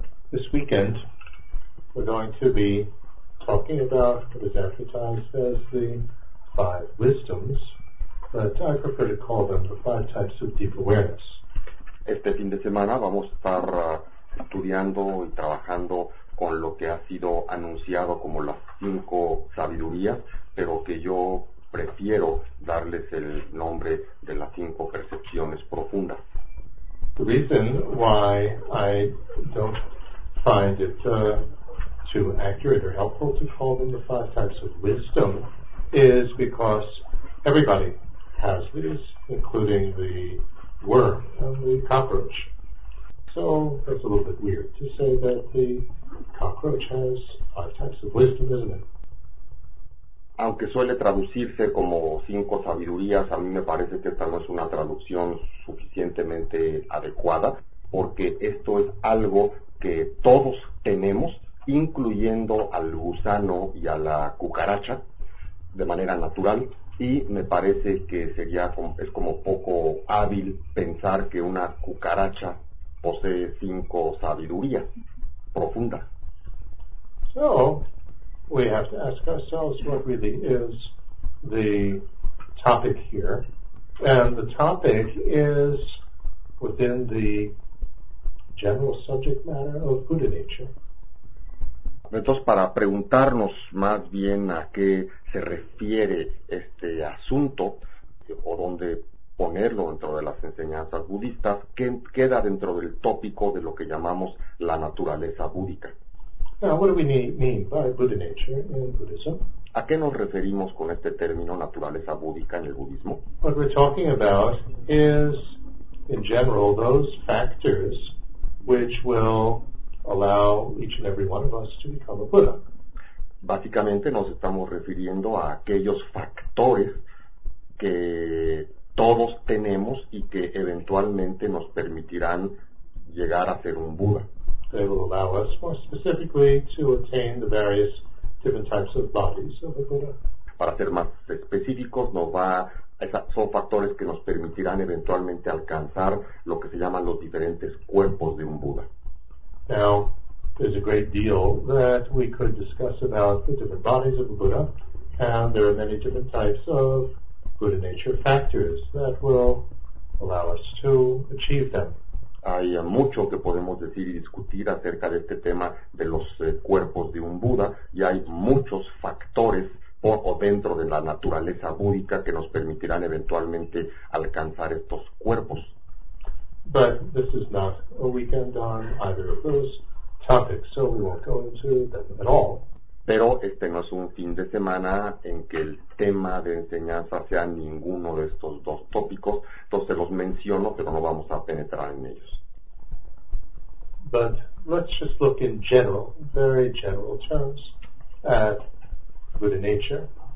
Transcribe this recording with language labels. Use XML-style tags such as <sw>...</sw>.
<en>This weekend, we're going to be talking about, as Advertise says, the five wisdoms, but I prefer to call them the five types of deep awareness.</en> <es>Este fin de semana vamos a estar estudiando y trabajando con lo que ha sido anunciado como las cinco sabidurías, pero que yo prefiero darles el nombre de las cinco percepciones profundas.</es> <en>The reason why I don't find it too accurate or helpful to call them the five types of wisdom is because everybody has these, including the worm and the cockroach. So that's a little bit weird to say that the cockroach has five types of wisdom, isn't it?</en> <es>Aunque suele traducirse como cinco sabidurías, a mí me parece que esta no es una traducción suficientemente adecuada, porque esto es algo que todos tenemos, incluyendo al gusano y a la cucaracha, de manera natural, y me parece que sería es como poco hábil pensar que una cucaracha posee cinco sabidurías profundas.</es> <en>So, we have to ask ourselves what really is the topic here, and the topic is within the general subject matter of Buddha nature.</en> <es>Entonces, para preguntarnos más bien a qué se refiere este asunto, o dónde ponerlo dentro de las enseñanzas budistas, ¿qué queda dentro del tópico de lo que llamamos la naturaleza búdica?</es> <en>Now, what do we mean by Buddha nature in Buddhism?</en> <es>¿A qué nos referimos con este término naturaleza búdica en el budismo?</es> <en>What we're talking about is, in general, those factors which will allow each and every one of us to become a Buddha.</en> <es>Básicamente nos estamos refiriendo a aquellos factores que todos tenemos y que eventualmente nos permitirán llegar a ser un Buddha.</es> <en>They will allow us more specifically to attain the various different types of bodies of a Buddha.</en> <es>Para ser más específicos, son factores que nos permitirán eventualmente alcanzar lo que se llaman los diferentes cuerpos de un Buddha.</es> <en>Now, there's a great deal that we could discuss about the different bodies of a Buddha, and there are many different types of Buddha nature factors that will allow us to achieve them.</en> <es>Hay mucho que podemos decir y discutir acerca de este tema de los cuerpos de un Buda, y hay muchos factores por o dentro de la naturaleza búdica que nos permitirán eventualmente alcanzar estos cuerpos.</es> <en>But this is not a weekend on either of those topics, so we won't go into them at all.</en> <es>Pero este no es un fin de semana en que el tema de enseñanza sea ninguno de estos dos tópicos, entonces los menciono, pero no vamos a penetrar en ellos.</es> <en>But let's just look in general, very general terms, at Buddha nature.</en>